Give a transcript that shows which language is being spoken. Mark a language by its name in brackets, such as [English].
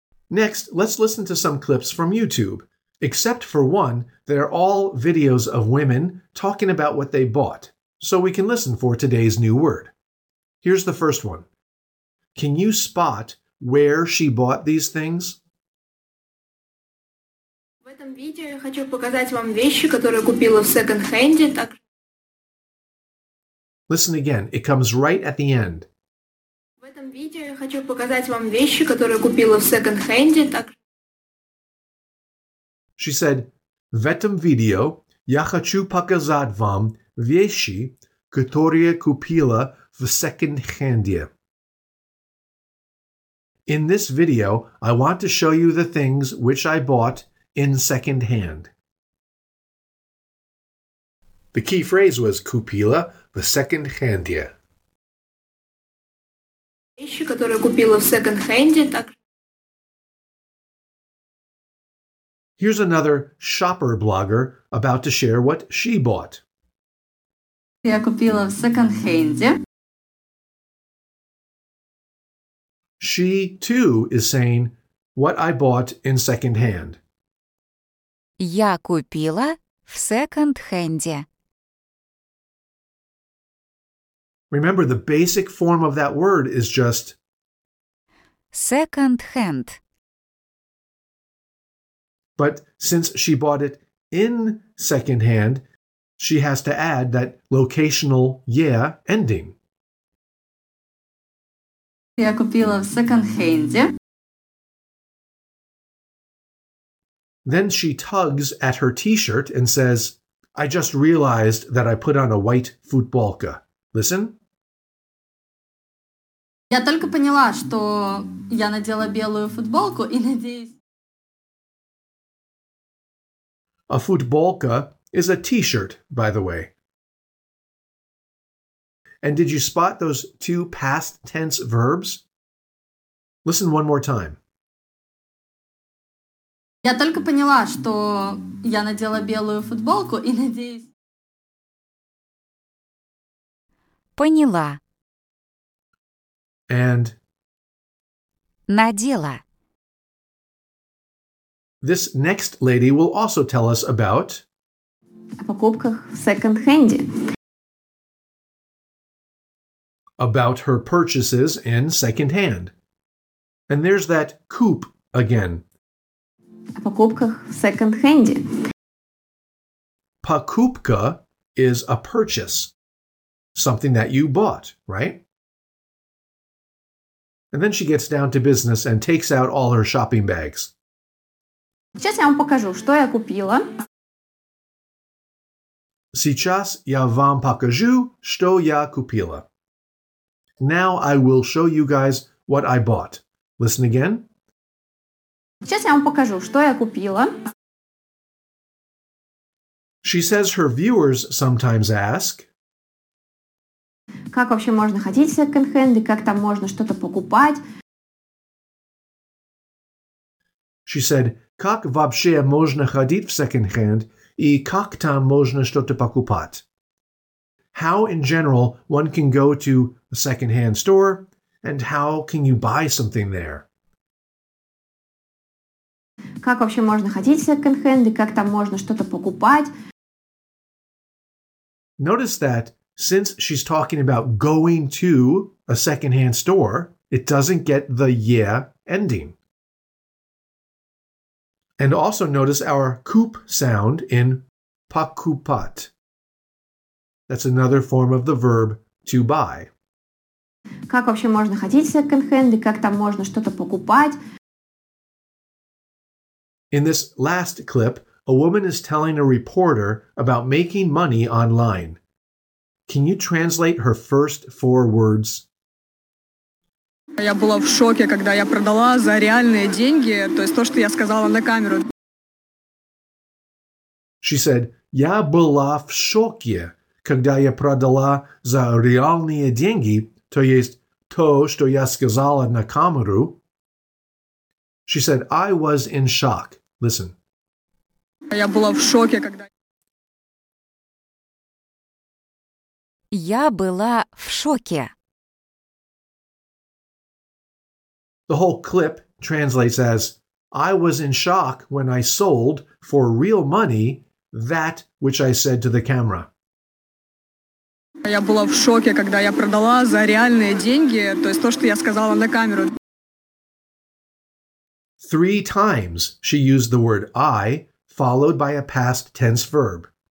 [English] Next, let's listen to some clips from YouTube. Except for one, they're all videos of women talking about what they bought. So we can listen for today's new word. Here's the first one. Can you spot where she bought these things? [Russian] В этом видео я хочу показать вам вещи, которые купила в секонд-хенде. [English] Listen again. It comes right at the end. [Russian] В этом видео я хочу показать вам вещи, которые купила в секонд-хенде. [English] She said, [Russian] "В этом видео я хочу показать вам вещи, которые купила в секонд-хенде." [English] In this video, I want to show you the things which I bought in second hand. The key phrase was [Russian] купила в секонд-хенде. Вещи, которые купила в секонд-хенде, так. [English] Here's another shopper blogger about to share what she bought. [Russian] Я купила в секонд-хенде. [English] She, too, is saying what I bought in second hand. [Russian] Я купила в секонд-хенде. [English] Remember, the basic form of that word is just second hand. But since she bought it in second hand, she has to add that locational "-я", ending. [Russian] Я купила в секонд-хенде. [English] Then she tugs at her t-shirt and says, "I just realized that I put on a white футболка." Listen. [Russian] Я только поняла, что я надела белую футболку и надеюсь. [English] A футболка is a t-shirt, by the way. And did you spot those two past tense verbs? Listen one more time. [Russian] Я только поняла, что я надела белую футболку и надеюсь. Поняла. [English] And [Russian] надела. [English] This next lady will also tell us about [Russian] покупках в секонд-хенде. [English] About her purchases in second hand. And there's that coup again. [Russian] Покупках в секонд-хенде. [English] Покупка is a purchase. Something that you bought, right? And then she gets down to business and takes out all her shopping bags. [Russian] Сейчас я вам покажу, что я купила. Сейчас я вам покажу, что я купила. [English] Now I will show you guys what I bought. Listen again. [Russian] Сейчас я вам покажу, что я купила. [English] She says her viewers sometimes ask, [Russian] как вообще можно ходить в секонд-хенд, как там можно что-то покупать? [English] She said, [Russian] как вообще можно ходить в секонд-хенд и как там можно что-то покупать? [English] How, in general, one can go to a second-hand store, and how can you buy something there? [Russian] Как вообще можно ходить в секонд-хенд, и как там можно что-то покупать? [English] Notice that, since she's talking about going to a second-hand store, it doesn't get the "-я", ending. And also notice our "-куп", sound in "-покупат". That's another form of the verb to buy. [Russian] Как вообще можно ходить в секонд-хенд и как там можно что-то покупать? [English] In this last clip, a woman is telling a reporter about making money online. Can you translate her first four words? [Russian] Я была в шоке, когда я продала за реальные деньги, то есть то, что я сказала на камеру. [English] She said, [Russian] "Я была в шоке, когда я продала за реальные деньги, то есть то, что я сказала на камеру." [English] She said, "I was in shock." Listen. [Russian] Я была в шоке, когда... Я была в шоке. [English] The whole clip translates as, "I was in shock when I sold, for real money, that which I said to the camera." [Russian] Я была в шоке, когда я продала за реальные деньги, то есть то, что я сказала на камеру. [English] Three times she used the word "I" followed by a past tense verb.